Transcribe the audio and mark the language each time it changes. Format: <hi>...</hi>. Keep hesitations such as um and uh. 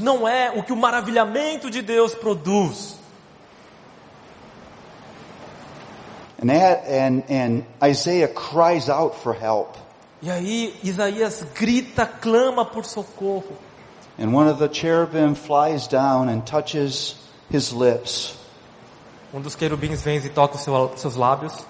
<pt>não é o que o maravilhamento de Deus produz.</pt> <en>And, Isaiah cries out for help.</en> <pt>E aí Isaías grita, clama por socorro.</pt> <en>And one of the cherubim flies down and touches his lips.</en> <pt>Um dos querubins vem e toca os seus lábios.</pt>